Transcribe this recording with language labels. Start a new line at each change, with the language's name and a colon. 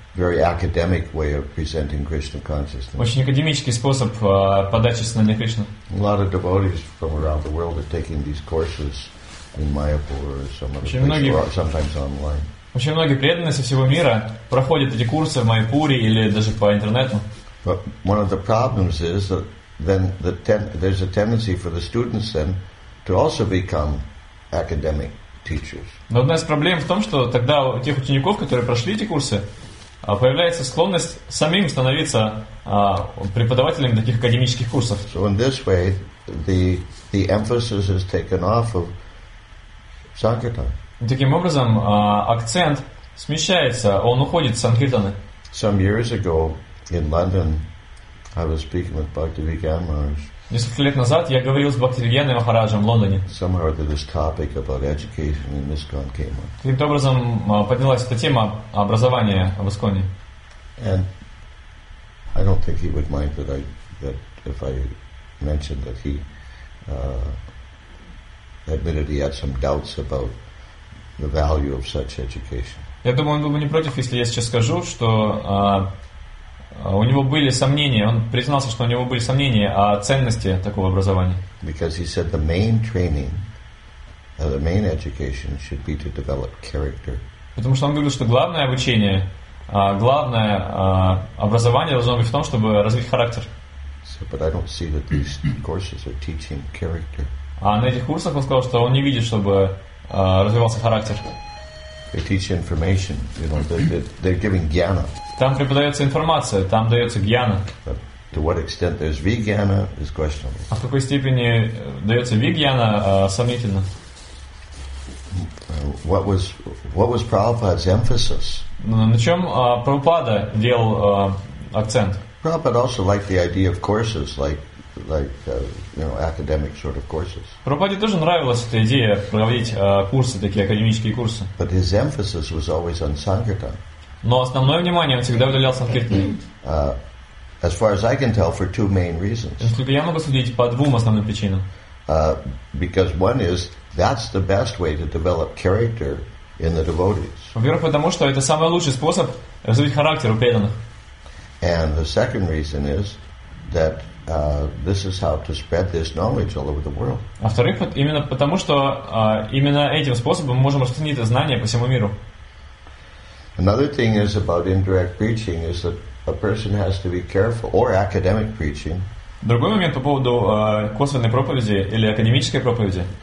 English: Very academic way of presenting Krishna consciousness.
Russian: Очень академический способ подачи сознания Кришны.
English: A lot of devotees from around the world are taking these courses in Mayapur or some other place, or sometimes online.
Russian: Очень многие преданные со всего мира проходят эти курсы в Майпуре или даже по интернету.
English: But one of the problems is that then there's a tendency for the students then to also become academic teachers.
Russian: Но одна из проблем в том, что тогда у тех учеников, которые прошли эти курсы, появляется склонность самим становиться преподавателем таких академических курсов.
English: So in this way, the emphasis is taken off of sankirtan.
Russian: Таким образом, акцент смещается, он уходит с санкиртаны.
English: Some years ago in London, I was speaking with Bhakti Vigyan Maharaj.
Russian: Несколько лет назад я говорил с Бхакти Вигьяной Махараджем в Лондоне.
English: Somehow this topic about education in ISKCON came up.
Russian: Каким-то образом поднялась эта тема образования в ISKCON-е.
English: And I don't think he would mind that if I mentioned that he admitted he had some doubts about the value of such education.
Russian: Я думаю, он был бы не против, если я сейчас скажу, что у него были сомнения, он признался, что у него были сомнения о ценности такого образования.
English: Because he said the main training, the main education should be to develop character.
Russian: Потому что он говорил, что главное обучение, главное образование должно быть в том, чтобы развить характер.
English: So, but I don't see that these courses are teaching character.
Russian: А на этих курсах он сказал, что он не видит, чтобы развивался характер.
English: They teach information, you know, they're giving jnana.
Russian: Там преподается информация, там дается гьяна.
English: But to what extent there's vijnana is questionable.
Russian: А в какой степени дается вигьяна, сомнительно.
English: What was Prabhupada's emphasis?
Russian: На чем Прабхупада делал акцент?
English: Prabhupada also liked the idea of courses, academic sort of courses.
Russian: Прабхупаде тоже нравилась эта идея проводить курсы, такие академические курсы.
English: But his emphasis was always on sankirtan.
Russian: Но основное внимание он всегда уделял санкиртане.
English: As far as I can tell, for two main reasons.
Russian: Насколько я могу судить, по двум основным причинам.
English: Because one is that's the best way to develop character in the devotees.
Russian: Во-первых, потому что это самый лучший способ развить характер у преданных.
English: And the second reason is that this is how to spread this knowledge all over the world.
Russian: А во-вторых, именно потому что именно этим способом мы можем распространить это знание по всему миру.
English: Another thing is about indirect preaching is that a person has to be careful, or academic preaching.
Russian: Другой момент по поводу косвенной проповеди или академической проповеди.